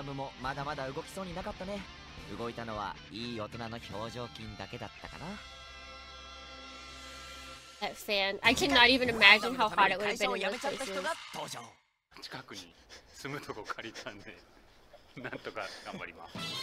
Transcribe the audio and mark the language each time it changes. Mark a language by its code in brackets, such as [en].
[ja] ダムもまだまだ動きそうになかったね。動いたのはいい大人の表情筋だけだったかな。 [en] That fan, I cannot even imagine how hard it would have been in those places. [ja] 近くに住むとこ借りたんで、なんとか頑張ります。